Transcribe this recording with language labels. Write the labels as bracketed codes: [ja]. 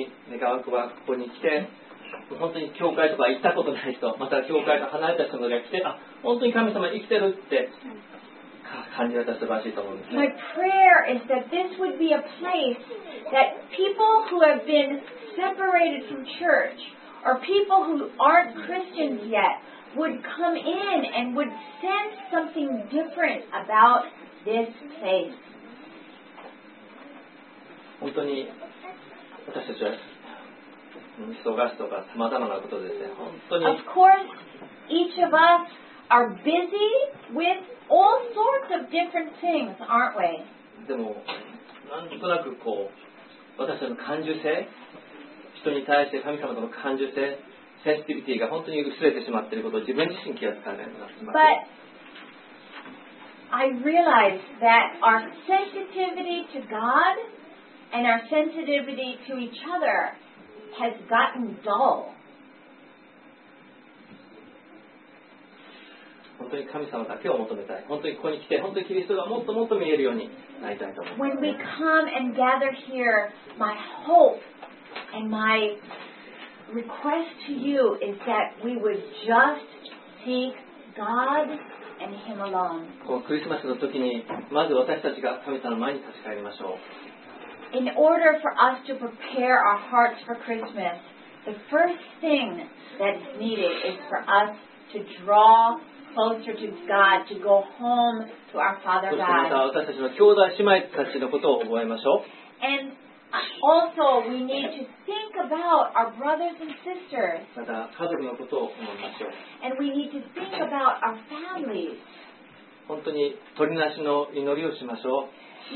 [ja] 願わくばここに来て、本当に教会とか行ったことない人、また教会と離れた人が来て、あ、本当に神様生きてるって感じられたら素晴らしいと思うんですね。 [en] My prayer is that this would be a place that people who have been separated from church or people who aren't Christians yet would come in and would sense something different about this place. [ja] 本当に私たちは忙しとか様々なことですね。本当に。 [en] Of course, each of us are busy with all sorts of different things, aren't we? [ja] でも、なんとなくこう、私たちの感受性、人に対して神様との感受性、センシティビティが本当に薄れてしまっていることを自分自身気がつかないのがします。 [en] But I realize that our sensitivity to God and our sensitivity to each other. Has gotten dull. [ja] 本当に神様だけを求めたい。本当にここに来て、本当にキリストがもっともっと見えるようになりたいと思います。 [en] When we come and gather here, my hope and my request to you is that we would just seek God and Him alone. [ja] このクリスマスの時に、まず私たちが神様の前に立ち返りましょう。 [en] In order for us to prepare our hearts for Christmas, the first thing that is needed is for us to draw closer to God, to go home to our Father God. [ja] そしてまた私たちの兄弟姉妹たちのことを覚えましょう。 [en] And also, we need to think about our brothers and sisters. [ja] また家族のことを思いましょう。 [en] And we need to think about our families. [ja] 本当に取りなしの祈りをしましょう。